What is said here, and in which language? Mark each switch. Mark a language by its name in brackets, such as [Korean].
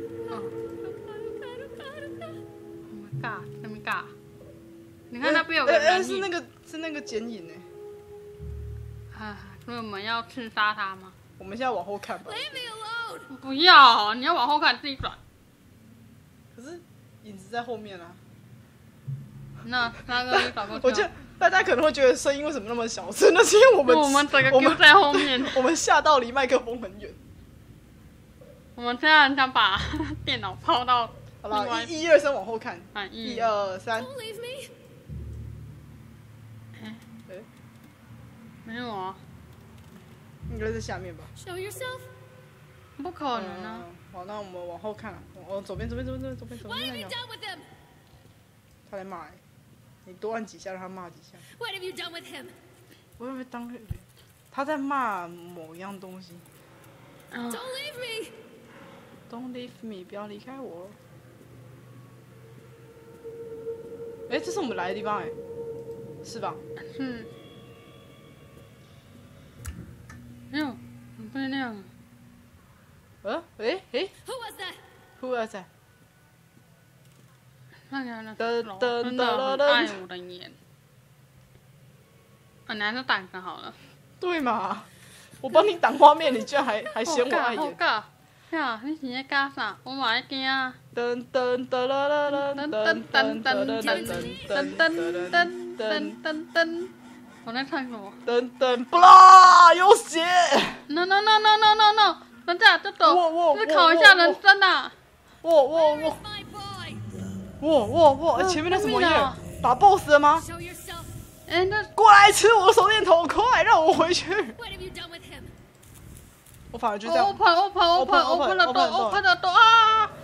[English] Oh my god， [Chinese] 那么尬！你看那边有个人影、是那个剪影哎。啊，所以我们要刺杀他吗？我们现在往后看吧。 [English] Leave me alone！ [Chinese] 不要，你要往后看，自己转。可是影子在后面啊。那三个你转过去。我觉得大家可能会觉得声音为什么那么小声？那是因为我们整个丢在后面，我们吓到离麦克风很远。我们这样想把电脑抛到另外，好了，一二三，往后看，一二三。哎，没有啊，应该在下面吧。 [English] Show yourself， [Chinese] 不可能啊、嗯！好，那我们往后看，往左边。 [English] Why have you done with him？ [Chinese] 他来骂、欸，你多按几下，让他骂几下。 [English] What have you done with him？ [Chinese] 我会不会当？他在骂某样东西。 [English] Don't leave me。 Don't leave me， [Chinese] 不要离开我。哎、欸，这是我们来的地方、欸，哎，是吧？嗯。哟，怎么变那样？ [English] Who was that？ Who was that？ [Chinese] 放下那个柔真的很爱我的眼。啊，你还是挡着好了。对嘛？我帮你挡画面，你居然还嫌我碍眼。呀、啊，你是在干啥？我嘛在惊啊！噔噔噔啦啦啦！噔噔噔噔噔噔噔噔噔噔！我在唱什么？噔噔不啦，有血 [English] ！No！ [Chinese] 等下就走，思考一下人生啊！我！前面那什么音乐？打 boss 了吗？哎，那过来吃我的手电筒，快让我回去！我反而就这样。 [English] Open 了 door， Open 了 door 啊！